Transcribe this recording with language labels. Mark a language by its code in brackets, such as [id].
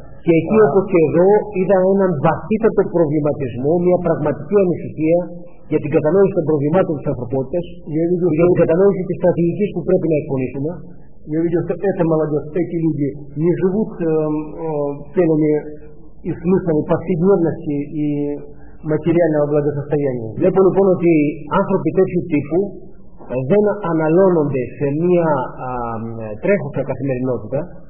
[el] Και εκεί όπου και εδώ είδα έναν βαθύτατο προβληματισμό, μια πραγματική ανησυχία για την κατανόηση των προβλημάτων της ανθρωπότητας, για την κατανόηση της στρατηγικής που πρέπει να εκφωνήσουμε. [ru] Я видел, что эта молодежь, эти люди не живут целями и смыслами повседневности и материального благосостояния. [el] Βλέπω λοιπόν ότι άνθρωποι τέτοιου τύπου δεν αναλώνονται σε μια τρέχουσα καθημερινότητα.